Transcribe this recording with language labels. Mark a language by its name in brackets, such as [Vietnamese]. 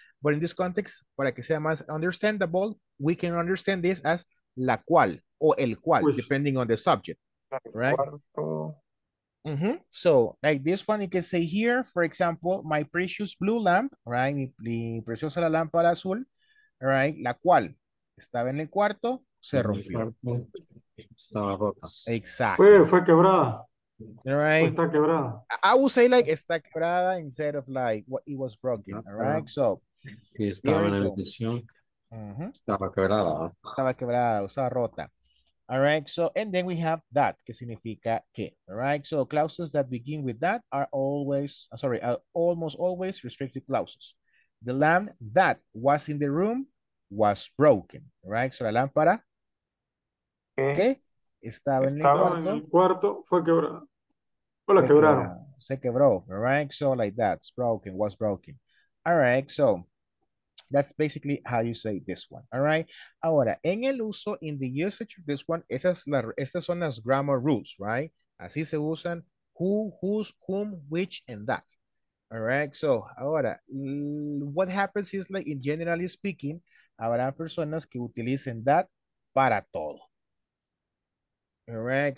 [English] But in this context, [Spanish] para que sea más [English] understandable, we can understand this as [Spanish] la cual o el cual, [English] which, depending on the subject, right? Mm-hmm. So, like this one, you can say here, for example, my precious blue lamp, right? [Spanish] Mi preciosa la lámpara azul, [English] right? [Spanish] La cual estaba en el cuarto, se rompió. Estaba rota. Exacto. Fue quebrada. [English] Right. [Spanish] Está quebrada. [English] I would say like [Spanish] está quebrada [English] instead of like what it was broken. All right. So [Spanish] Que estaba en la habitación. Uh-huh. Estaba quebrada. Estaba quebrada, o sea, rota. [English] All right, so, and then we have that, [Spanish] que significa que. [English] All right, so clauses that begin with that are always, sorry, are almost always restricted clauses. The lamp that was in the room was broken. All right, so [Spanish] la lámpara. ¿Qué? Estaba en el cuarto, fue quebrada. O la quebraron. Se quebró. [English] All right, so like that. It's broken, was broken. All right, so. That's basically how you say this one, all right? [Spanish] Ahora, en el uso, [English] in the usage of this one, [Spanish] estas son las [English] grammar rules, right? [Spanish] Así se usan [English] who, whose, whom, which, and that, all right? So, [Spanish] ahora, [English] what happens is, like, in generally speaking, [Spanish] habrá personas que utilicen [English] that [Spanish] para todo, [English] all right?